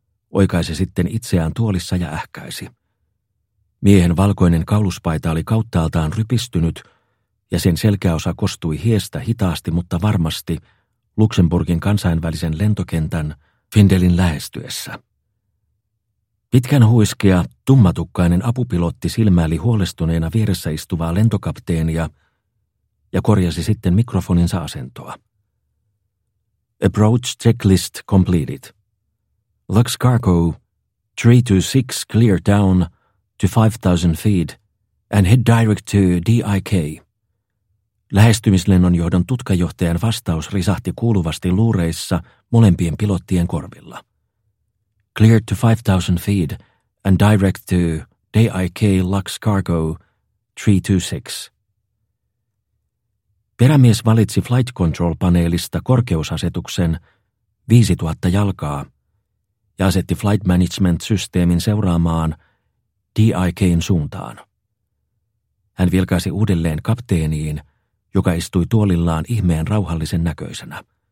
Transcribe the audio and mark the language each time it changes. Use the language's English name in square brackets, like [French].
[Finnish] Oikaisi sitten itseään tuolissa ja ähkäisi. Miehen valkoinen kauluspaita oli kauttaaltaan rypistynyt, ja sen selkäosa kostui hiestä hitaasti, mutta varmasti Luxemburgin kansainvälisen lentokentän Findelin lähestyessä. Pitkän huiskia, tummatukkainen apupilotti silmäili huolestuneena vieressä istuvaa lentokapteenia ja korjasi sitten mikrofoninsa asentoa. [English] Approach checklist completed. Lux Cargo, 326 clear down to 5000 feet and head direct to DIK. [Finnish] Lähestymislennon johdon tutkajohtajan vastaus risahti kuuluvasti luureissa molempien pilottien korvilla. [English] Cleared to 5,000 feet and direct to DIK Lux Cargo 326. [Finnish] Perämies valitsi Flight Control-paneelista korkeusasetuksen 5,000 jalkaa ja asetti Flight Management-systeemin seuraamaan DIK:n suuntaan. Hän vilkaisi uudelleen kapteeniin, joka istui tuolillaan ihmeen rauhallisen näköisenä.